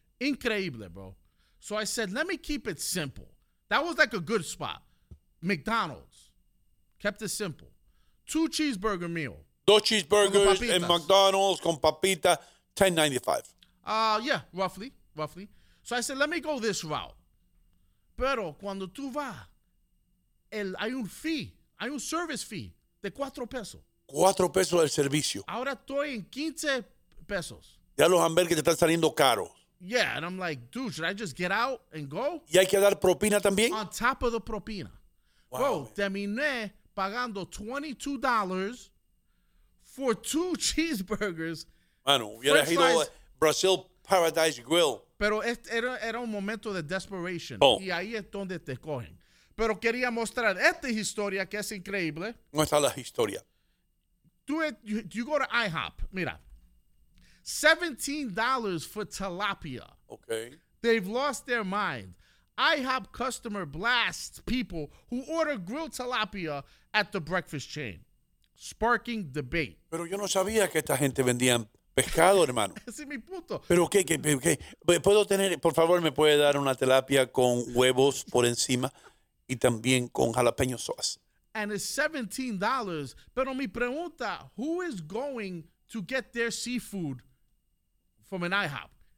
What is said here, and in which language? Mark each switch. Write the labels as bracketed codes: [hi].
[es] Increíble, [en] bro. So I said, let me keep it simple. That was like a good spot. McDonald's. Kept it simple. 2 cheeseburger meal. 2 cheeseburgers and McDonald's [es] con papita, [en] $10.95. Yeah, roughly. So I said, let me go this route. [es] Pero cuando tú vas, hay un [en] service fee [es] de $4. $4 del servicio. Ahora estoy en $15. Ya los hamburgues te están saliendo caros. [en] Yeah, and I'm like, dude, should I just get out and go? [es] ¿Y hay que dar propina también? [en] On top of the propina. Wow, bro, [es] terminé pagando [en] $22 for 2 cheeseburgers. [es] Bueno, hubiera ido a Brazil Paradise Grill. Pero era un momento de desperation. Oh. Y ahí es donde te cogen. Pero quería mostrar esta historia que es increíble. ¿Cómo está la historia? [en] Do you go to IHOP? [es] Mira. [en] $17 for tilapia. Okay. They've lost their mind. IHOP customer blasts people who order grilled tilapia at the breakfast chain. Sparking debate. [es] Pero yo no sabía que esta gente vendían pescado, hermano. Ese es mi punto. Pero ¿qué? ¿Puedo tener, por favor, me puede dar una tilapia con huevos por encima? Y también con jalapeño sauce. [en] And it's $17. [es] Pero mi pregunta, [en] who is going to get their seafood from an IHOP?